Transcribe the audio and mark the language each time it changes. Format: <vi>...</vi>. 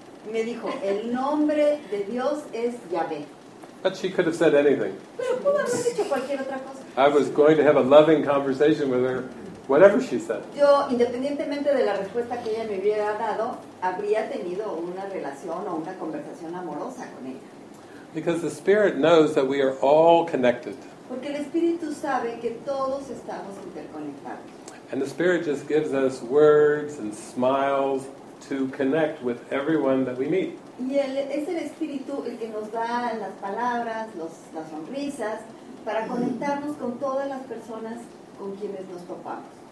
<es>Me dijo, el nombre de Dios es Yahvé.</es> <en>But she could have said anything.</en> <es>Pero pudo haber dicho cualquier otra cosa.</es> <en>I was going to have a loving conversation with her, whatever she said.</en> <es>Yo, independientemente de la respuesta que ella me hubiera dado, habría tenido una relación o una conversación amorosa con ella.</es> <en>Because the spirit knows that we are all connected.</en> <es>Porque el espíritu sabe que todos estamos interconectados.</es> <en>And the spirit just gives us words and smiles to connect with everyone that we meet.</en> <es>Y el, es el espíritu el que nos da las palabras, los, las sonrisas, para conectarnos con todas las personas con quienes nos topamos.</es>